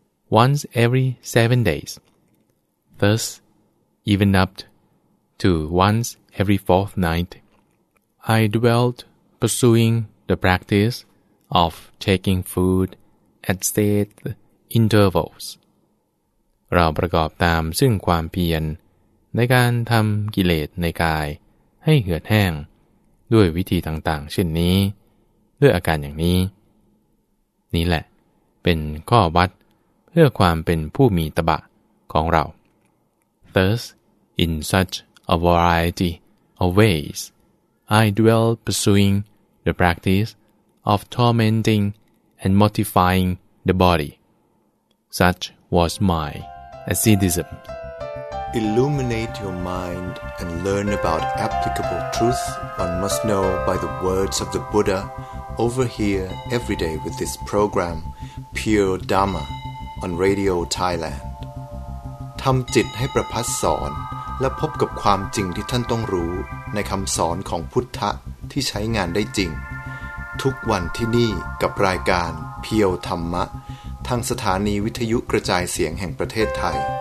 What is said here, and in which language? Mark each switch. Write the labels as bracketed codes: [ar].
[en] Once every 7 days, thus even up to once every fortnight, I dwelt pursuing the practice of taking food at set intervals. [th] เราประกอบตามซึ่งความเพียรในการทำกิเลสในกายให้เหือดแห้งด้วยวิธีต่างๆเช่นนี้ด้วยอาการอย่างนี้นี่แหละเป็นข้อวัดเพื่อความเป็นผู้มีตบะของเรา [en] Thus, in such a variety of ways, I dwell pursuing the practice of tormenting and mortifying the body. Such was my asceticism. Illuminate your mind and learn about applicable truth one must know by the words of the Buddha over here every day with this program, Pure Dharma. On Radio Thailand [th] ทำจิตให้ประพัสสอนและพบกับความจริงที่ท่านต้องรู้ในคำสอนของพุทธะที่ใช้งานได้จริงทุกวันที่นี่กับรายการเพียวธรรมะทางสถานีวิทยุกระจายเสียงแห่งประเทศไทย